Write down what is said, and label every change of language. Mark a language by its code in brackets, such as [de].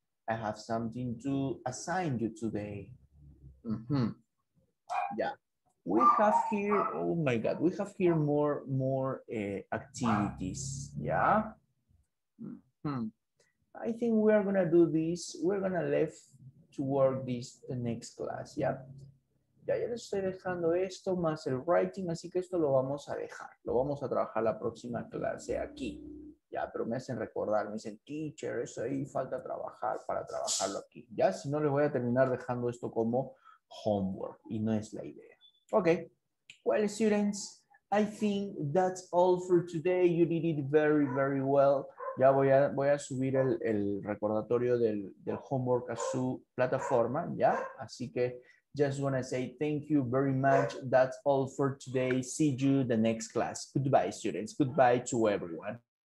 [en] I have something to assign you today. Mm-hmm. Yeah, we have here, oh my God, we have here more activities, yeah? Mm-hmm. I think we are gonna do this, we're gonna left to work this the next class, yeah? [es] Ya yo les estoy dejando esto más el writing, así que esto lo vamos a dejar, lo vamos a trabajar la próxima clase aquí. Ya, pero me hacen recordar, me dicen, teacher, eso ahí falta trabajar para trabajarlo aquí. Ya, si no, les voy a terminar dejando esto como homework y no es la idea. [en] Okay, well, students, I think that's all for today. You did it very, very well. [es] Ya voy a subir el recordatorio del homework a su plataforma, ya. Así que, [en] just want to say thank you very much. That's all for today. See you the next class. Goodbye, students. Goodbye to everyone.